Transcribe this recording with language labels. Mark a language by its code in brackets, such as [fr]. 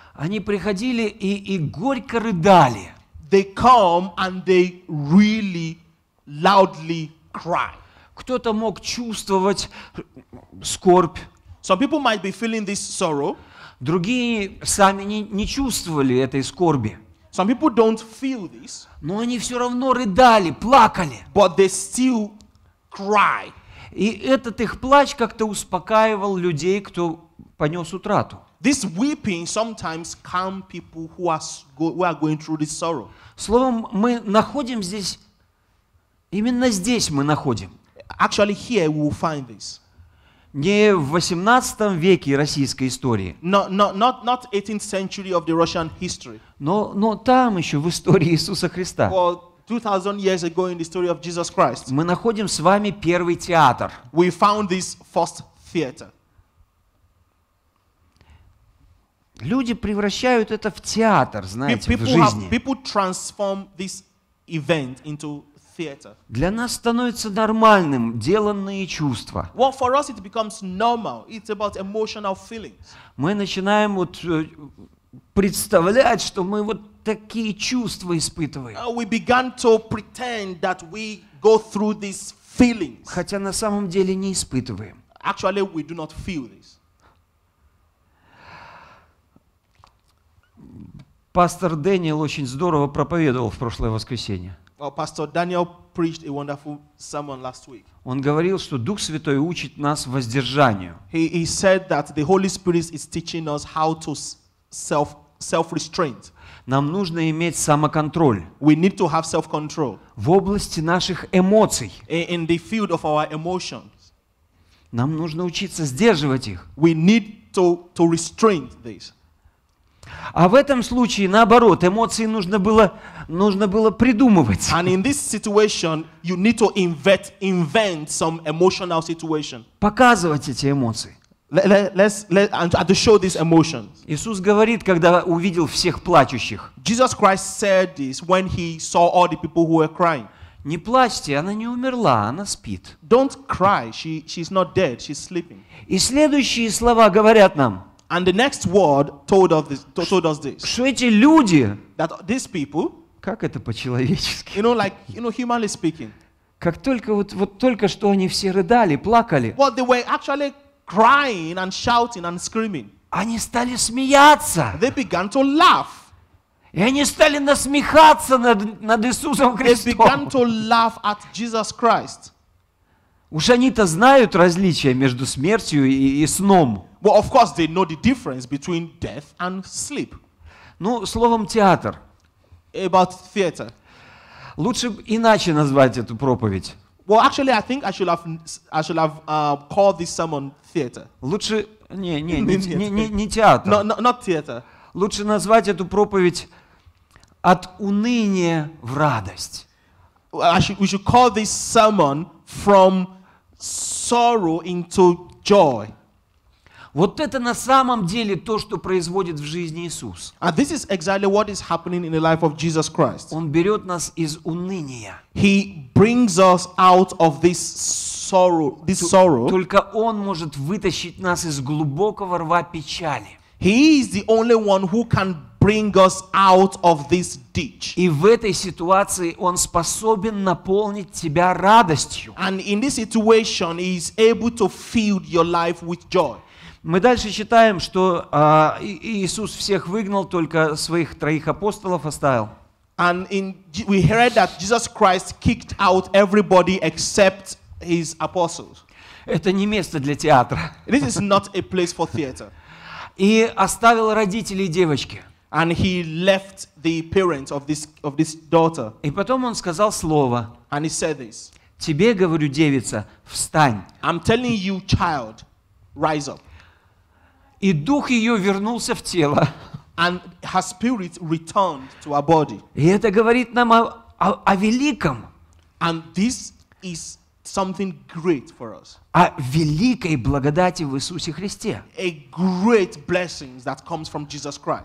[ru] Они приходили и горько рыдали. [en] They come and they really loudly cry. [ru] Кто-то мог чувствовать скорбь. [en] Some people might be feeling this sorrow. [ru] Другие сами не чувствовали этой скорби. [en] Some people don't feel this. [ru] Но они все равно рыдали, плакали. [en] But they still cry. [ru] И этот их плач как-то успокаивал людей, кто понес утрату. [en] This weeping sometimes calm people who are going through this sorrow. [ru] Словом, мы находим здесь, именно здесь мы находим. [en] Actually, here we will find this. [ru] Не в 18 веке российской истории. [en] Not 18th century of the Russian history. [ru] Но там еще в истории Иисуса Христа. [en] Well, 2000 years ago in the story of Jesus Christ. [ru] Мы находим с вами первый театр. [en] We found this first theater. [ru] Люди превращают это в театр, знаете, [en] people [ru] в жизни. [en] People transform this event into theater. [ru] Для нас становится нормальным деланные чувства. [en] Well, for us it becomes normal. It's about emotional feelings. [ru] Мы начинаем вот представлять, что мы вот такие чувства испытываем. [en] We began to pretend that we go through these feelings. [ru] Хотя на самом деле не испытываем. [en] Actually, we do not feel this. [ru] Пастор Дэниел очень здорово проповедовал в прошлое воскресенье. [en] Pastor Daniel preached a wonderful sermon last week. [ru] Он говорил, что Дух Святой учит нас воздержанию. [en] He said that the Holy Spirit is teaching us how to self-restraint. [ru] Нам нужно иметь самоконтроль. [en] We need to have self-control. [ru] В области наших эмоций. [en] In the field of our emotions. [ru] Нам нужно учиться сдерживать их. [en] We need to restrain this. [ru] А в этом случае, наоборот, эмоции нужно было придумывать. [en] And in this situation, you need to invent some emotional situation. [ru] Показывать эти эмоции. [en] To show these emotions. [ru] Иисус говорит, когда увидел всех плачущих. [en] Jesus Christ said this when he saw all the people who were crying. [ru] Не плачьте, она не умерла, она спит. [en] Don't cry, she's not dead, she's sleeping. [ru] И следующие слова говорят нам. [en] And the next word told us this. [ru] Что эти люди? [en] That these people. [ru] Как это по-человечески? [en] You know, humanly speaking. [ru] Как только вот только что они все рыдали, плакали. [en] Well, they were actually crying and shouting and screaming. [ru] Они стали смеяться. [en] They began to laugh. [ru] И они стали насмехаться над Иисусом Христом. [en] They began to laugh at Jesus Christ. [ru] Уж они-то знают различия между смертью и сном. [en] Well, of course, they know the difference between death and sleep. [ru] Ну, словом, театр. [en] About theater. [ru] Лучше иначе назвать эту проповедь. [en] Well, actually, I think I should have called this sermon theater. [ru] Лучше не театр. [en] Not theater. [ru] Лучше назвать эту проповедь от уныния в радость. [en] We should call this sermon from sorrow into joy. [ru] Вот это на самом деле то, что производит в жизни Иисус. [en] And this is exactly what is happening in the life of Jesus Christ. [ru] Он берет нас из уныния. [en] He brings us out of this sorrow. [ru] Только Он может вытащить нас из глубокого рва печали. [en] He is the only one who can bring us out of this ditch. [ru] И в этой ситуации Он способен наполнить тебя радостью. [en] And in this situation, He is able to fill your life with joy. [ru] Мы дальше читаем, что Иисус всех выгнал, только своих троих апостолов оставил. [en] And we heard that Jesus Christ kicked out everybody except his apostles. [ru] Это не место для театра. [en] This is not a place for theater. [ru] И оставил родителей девочки. [en] And he left the parents of this daughter. [ru] И потом он сказал слово. [en] And he said this. [ru] Тебе говорю, девица, встань. [en] I'm telling you, child, rise up. [ru] И дух ее вернулся в тело. [en] And her spirit returned to her body. [ru] И это говорит нам о великом. [en] And this is something great for us. [ru] О великой благодати в Иисусе Христе. [en] A great blessing that comes from Jesus Christ.